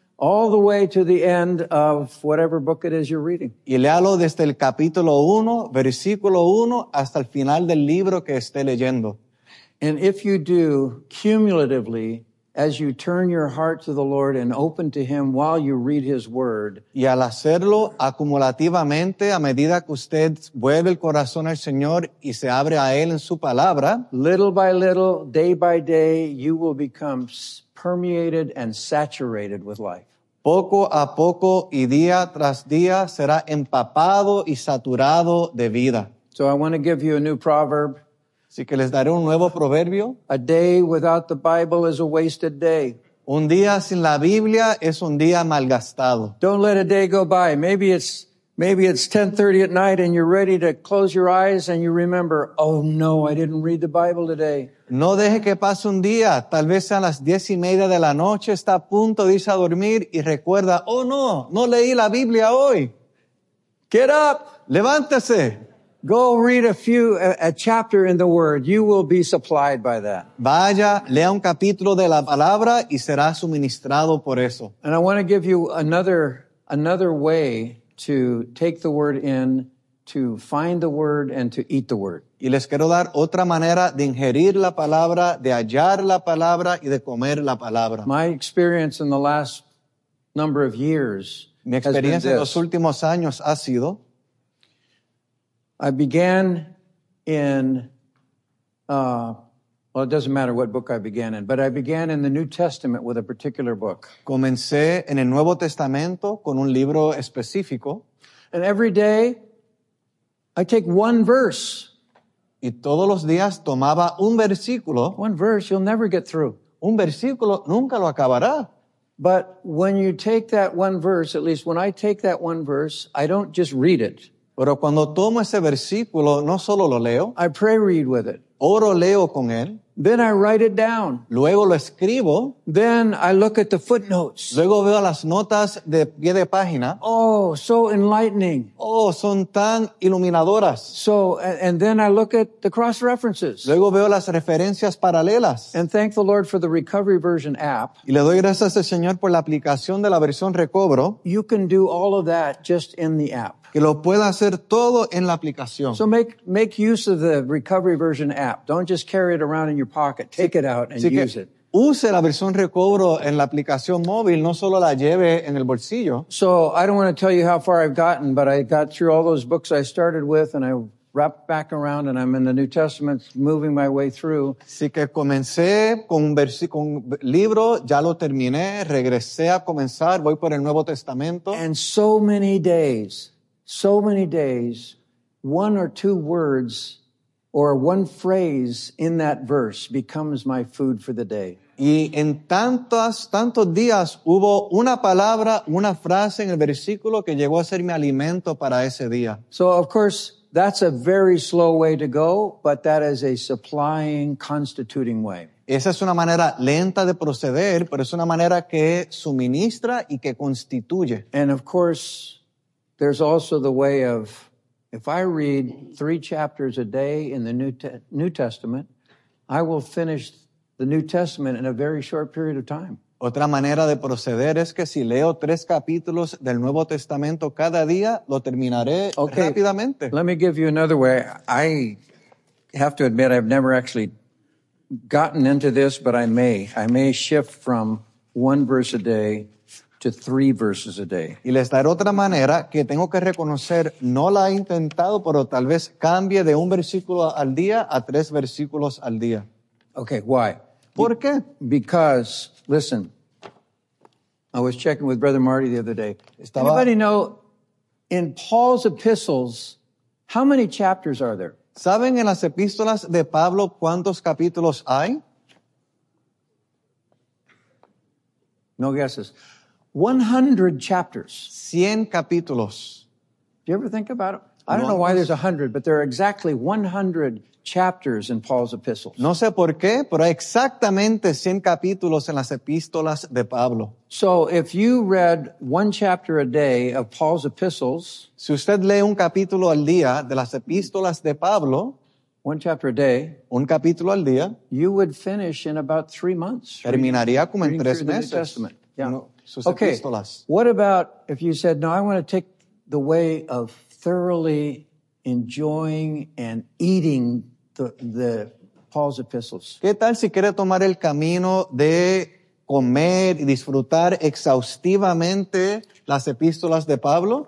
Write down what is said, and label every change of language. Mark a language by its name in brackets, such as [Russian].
[English] All the way to the end of whatever book it is you're reading. [Spanish] Y léalo desde el capítulo 1, versículo 1, hasta el final del libro que esté leyendo. [English] And if you do, cumulatively, as you turn your heart to the Lord and open to him while you read his word. [Spanish] Y al hacerlo acumulativamente, a medida que usted vuelve el corazón al Señor y se abre a él en su palabra. [English] Little by little, day by day, you will become permeated and saturated with life. [Spanish] Poco a poco y día tras día será empapado y saturado de vida. [English] So I want to give you a new proverb. [Spanish] Así que les daré un nuevo proverbio. [English] A day without the Bible is a wasted day. [Spanish] Un día sin la Biblia es un día malgastado. [English] Don't let a day go by. Maybe it's Maybe it's 10:30 at night and you're ready to close your eyes and you remember, oh no, I didn't read the Bible today. [Spanish] No deje que pase un día. Tal vez sean las 10:30 de la noche, está a punto de irse a dormir y recuerda, oh no, no leí la Biblia hoy. [English] Get up. [Spanish] Levántese. [English] Go read a chapter in the Word. You will be supplied by that. [Spanish] Vaya, lea un capítulo de la palabra y será suministrado por eso. [English] And I want to give you another way to take the Word in, to find the Word, and to eat the Word. [Spanish] Y les quiero dar otra manera de ingerir la palabra, de hallar la palabra y de comer la palabra. [English] My experience in the last number of years has been this. [Spanish] Mi experiencia en los últimos años ha sido. [English] I began in, well, it doesn't matter what book I began in, but I began in the New Testament with a particular book. [Spanish] Comencé en el Nuevo Testamento con un libro específico. [English] And every day, I take one verse. [Spanish] Y todos los días tomaba un versículo. [English] One verse, you'll never get through. [Spanish] Un versículo nunca lo acabará. [English] But when you take that one verse, at least when I take that one verse, I don't just read it. [Spanish] Pero cuando tomo ese versículo, no solo lo leo. [English] I pray read with it. [Spanish] Oro leo con él. [English] Then I write it down. [Spanish] Luego lo escribo. [English] Then I look at the footnotes. [Spanish] Luego veo las notas de pie de página. [English] Oh, so enlightening. [Spanish] Oh, son tan iluminadoras. [English] So, and then I look at the cross references. [Spanish] Luego veo las referencias paralelas. [English] And thank the Lord for the Recovery Version app. [Spanish] Y le doy gracias al Señor por la aplicación de la versión Recobro. [English] You can do all of that just in the app. [Spanish] Que lo pueda hacer todo en la aplicación. [English] So make use of the Recovery Version app. Don't just carry it around in your pocket. Take it out and use it. [Spanish] Use la versión Recobro en la aplicación móvil, no solo la lleve en el bolsillo. [English] So I don't want to tell you how far I've gotten, but I got through all those books I started with and I wrapped back around and I'm in the New Testament moving my way through. [Spanish] Así que comencé con un libro, ya lo terminé, regresé a comenzar, voy por el Nuevo Testamento. [English] And so many days. So many days, one or two words or one phrase in that verse becomes my food for the day. [Spanish] Y en tantos días hubo una palabra, una frase en el versículo que llegó a ser mi alimento para ese día. [English] So of course, that's a very slow way to go, but that is a supplying, constituting way. [Spanish] Esa es una manera lenta de proceder, pero es una manera que suministra y que constituye. [English] And of course, there's also the way of, if I read 3 chapters a day in the New Testament, I will finish the New Testament in a very short period of time. [Spanish] Otra manera de proceder es que si leo 3 capítulos del Nuevo Testamento cada día, lo terminaré [English] okay, [Spanish] rápidamente. [English] Let me give you another way. I have to admit I've never actually gotten into this, but I may. I may shift from 1 verse a day to 3 verses a day. [Spanish] Y les daré otra manera que tengo que reconocer, no la he intentado, pero tal vez cambie de 1 versículo al día a 3 versículos al día. [English] Okay, why? [Spanish] ¿Por qué? [English] Because, listen, I was checking with Brother Marty the other day. Anybody know, in Paul's epistles, how many chapters are there? [Spanish] ¿Saben en las epístolas de Pablo cuántos capítulos hay? [English] No guesses. 100 chapters. [Spanish] 100 capítulos. [English] Do you ever think about it? I don't know why there's 100, but there are exactly 100 chapters in Paul's epistles. [Spanish] No sé por qué, pero hay exactamente 100 capítulos en las epístolas de Pablo. [English] So if you read 1 chapter a day of Paul's epistles, [Spanish] si usted lee un capítulo al día de las epístolas de Pablo, [English] 1 chapter a day, [Spanish] un capítulo al día, [English] you would finish in about 3 months. [Spanish] Terminaría como en 3 meses. [English] The New Testament. Yeah. Okay, what about if you said, no, I want to take the way of thoroughly enjoying and eating the Paul's epistles? [Spanish] ¿Qué tal si quiere tomar el camino de comer y disfrutar exhaustivamente las epístolas de Pablo?